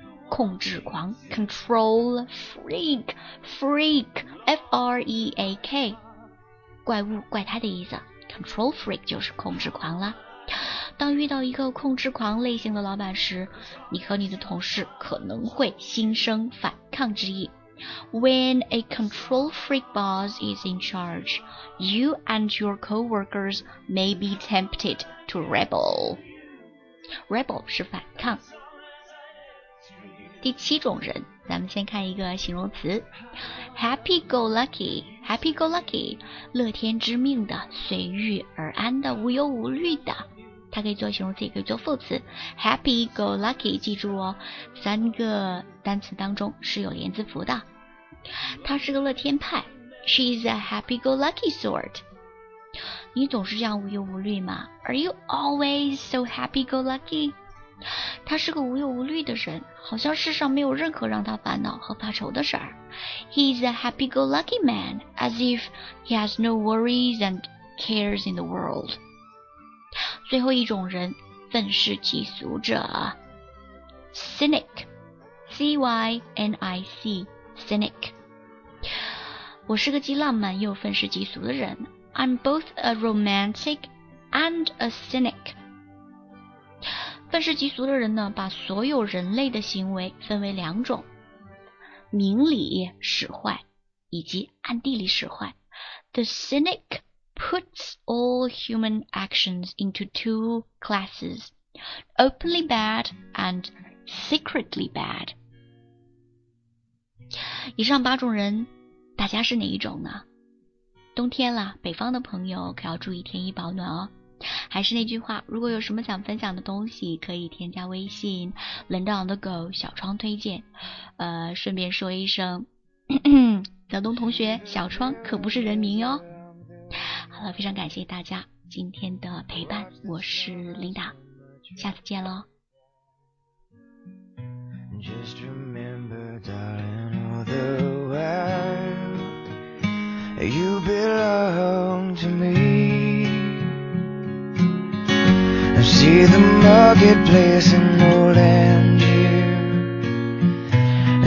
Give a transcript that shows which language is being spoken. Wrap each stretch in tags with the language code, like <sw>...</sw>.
<zh>控制狂 ，control freak，freak，F-R-E-A-K， 怪物、怪胎的意思。 control freak 就是控制狂了。当遇到一个控制狂类型的老板时，你和你的同事可能会心生反抗之意。</zh> <en>When a control freak boss is in charge, you and your coworkers may be tempted to rebel.</en> <zh>Rebel 是反抗。第七种人，咱们先看一个形容词 ，happy go lucky， happy go lucky， 乐天知命的，随遇而安的，无忧无虑的。它可以做形容词，也可以做副词。 happy go lucky， 记住哦，三个单词当中是有连字符的。他是个乐天派</zh> <en>，she's a happy go lucky sort。</en> <zh>你总是这样无忧无虑吗</zh> <en>？Are you always so happy go lucky？</en> <zh>他是个无忧无虑的人，好像世上没有任何让他烦恼和发愁的事儿。</zh> <en>He's a happy-go-lucky man, as if he has no worries and cares in the world.</en> <zh>最后一种人，愤世嫉俗者 ，cynic, C-Y-N-I-C, cynic. 我是个既浪漫又愤世嫉俗的人。</zh> <en>I'm both a romantic and a cynic.</en> <zh>愤世嫉俗的人呢，把所有人类的行为分为两种，明里使坏以及暗地里使坏。</zh> <en>The cynic puts all human actions into two classes, openly bad and secretly bad.</en> <zh>以上八种人，大家是哪一种呢？冬天了，北方的朋友可要注意添衣保暖哦。还是那句话，如果有什么想分享的东西，可以添加微信冷到的狗小窗推荐。顺便说一声，泽东同学，小窗可不是人名哟。好了，非常感谢大家今天的陪伴，我是琳达，下次见喽。</zh> <en>Just remember, darling, all the while you belong to me. I see the marketplace in old and new.</en>